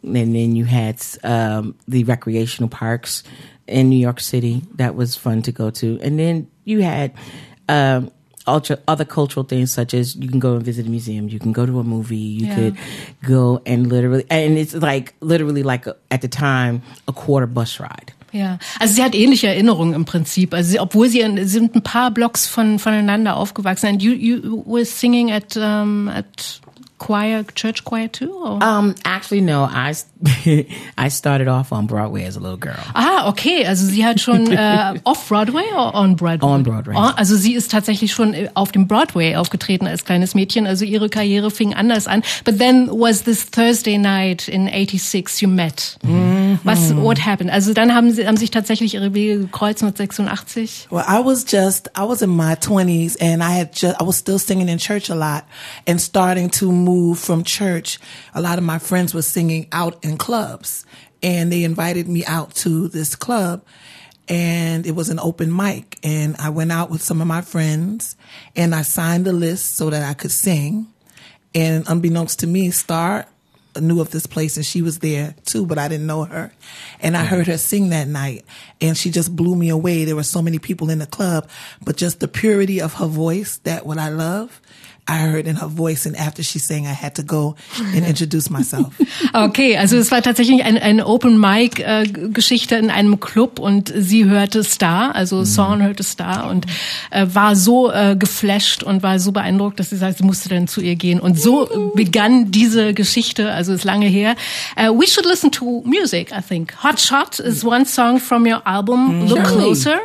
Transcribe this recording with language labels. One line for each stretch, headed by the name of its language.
English: And then you had the recreational parks in New York City. That was fun to go to. And then you had other cultural things, such as you can go and visit a museum, you can go to a movie, you could go and literally, and it's like literally like at the time a quarter bus ride.
German: Ja, also sie hat ähnliche Erinnerungen im Prinzip. Also sie, obwohl sie in, sind ein paar Blocks von voneinander aufgewachsen.
English: And you were singing at choir, church choir too? Or? Actually, no. I started off on Broadway as a little girl. Ah, okay.
German: Also sie hat schon off-Broadway
English: or on Broadway? On Broadway.
German: Also sie ist tatsächlich schon auf dem Broadway aufgetreten als kleines Mädchen. Also ihre Karriere fing anders an.
English: But then was this Thursday night in 86 you met? Mm. What happened?
German: Also dann haben sich tatsächlich ihre Wege gekreuzt mit 86.
English: Well, I was in my 20s and I was still singing in church a lot and starting to move from church. A lot of my friends were singing out in clubs and they invited me out to this club and it was an open mic and I went out with some of my friends and I signed the list so that I could sing and unbeknownst to me, Star knew of this place and she was there too, but I didn't know her. And I heard her sing that night and she just blew me away. There were so many people in the club, but just the purity of her voice, that what I love, I heard in her voice, and after she sang, I had to go and introduce myself.
German: Okay, also es war tatsächlich ein Open Mic Geschichte in einem Club und sie hörte Star, also Sawn hörte Star und war so geflasht und war so beeindruckt, dass sie sagt, sie musste dann zu ihr gehen. Und so begann diese Geschichte, also ist lange her.
English: We should listen to music, I think. Hot Shot is one song from your album, Look Closer.